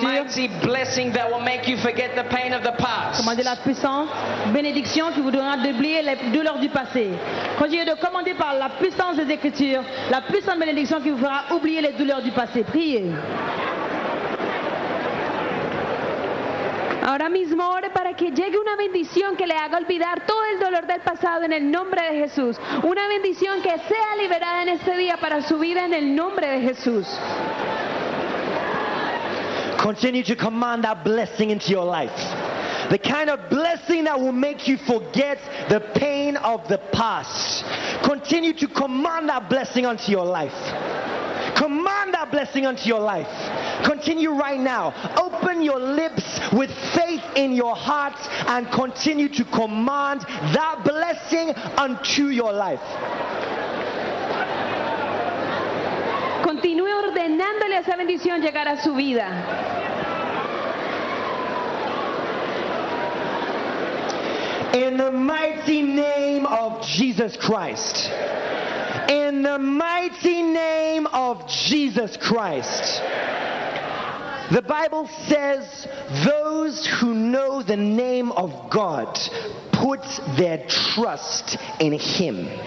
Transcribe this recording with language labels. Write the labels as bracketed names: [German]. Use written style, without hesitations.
[English] a mighty blessing that will make you forget the pain of the past. [French] Commandez la puissance, bénédiction qui vous donnera d'oublier les douleurs du passé. Continuez de commander par la puissance des écritures, la puissante bénédiction qui vous fera oublier les douleurs du passé. Priez. [Spanish] Ahora mismo ore para que llegue una bendición que le haga olvidar todo el dolor del pasado en el nombre de Jesús. Una bendición que sea liberada en este día para su vida en el nombre de Jesús. [English] Continue to command that blessing into your life. The kind of blessing that will make you forget the pain of the past. Continue to command that blessing onto your life. Command that blessing onto your life. Continue right now. Open your lips with faith in your heart and continue to command that blessing unto your life. [Spanish] Continúe ordenándole esa bendición llegar a su vida. [English] In the mighty name of Jesus Christ. In the mighty name of Jesus Christ. The Bible says, those who know the name of God put their trust in Him.